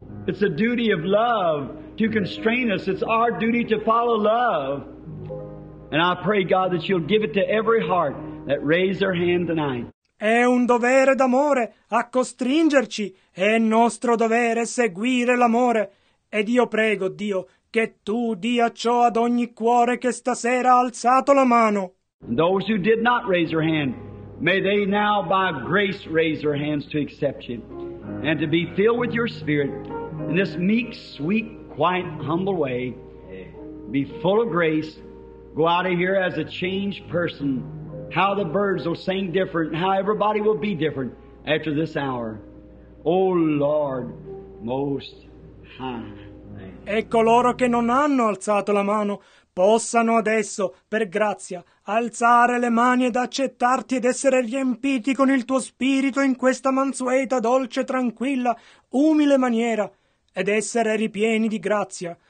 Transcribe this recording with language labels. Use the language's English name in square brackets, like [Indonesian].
[English] It's a duty of love to constrain us. It's our duty to follow love. And I pray, God, that you'll give it to every heart that raised their hand tonight. [Italian] È un dovere d'amore a costringerci. È nostro dovere seguire l'amore. Ed io prego, Dio, che tu dia ciò ad ogni cuore che stasera ha alzato la mano. [English] And those who did not raise their hand, may they now by grace raise their hands to accept you and to be filled with your spirit in this meek, sweet, quiet, humble way. Be full of grace. Go out of here as a changed person. How the birds will sing different, how everybody will be different after this hour. Oh Lord, most high. [Italian] E coloro che non hanno alzato la mano possano adesso, per grazia, alzare le mani ed accettarti ed essere riempiti con il tuo spirito in questa mansueta, dolce, tranquilla, umile maniera ed essere ripieni di grazia.